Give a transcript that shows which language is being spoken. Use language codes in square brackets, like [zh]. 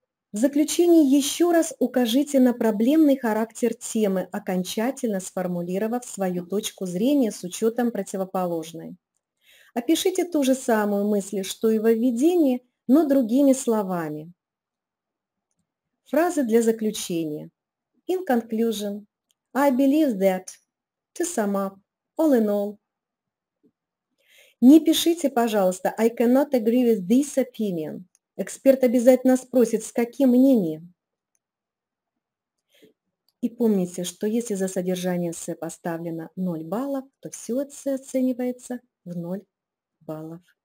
[ru] В заключении еще раз укажите на проблемный характер темы, окончательно сформулировав свою точку зрения с учетом противоположной. Опишите ту же самую мысль, что и во введении, но другими словами. Фразы для заключения. [en] In conclusion, I believe that, to sum up, all in all. [ru] Не пишите, пожалуйста, [en] I cannot agree with this opinion. [ru] Эксперт обязательно спросит, с каким мнением. И помните, что если за содержание эссе поставлено 0 баллов, то все эссе оценивается в 0 баллов.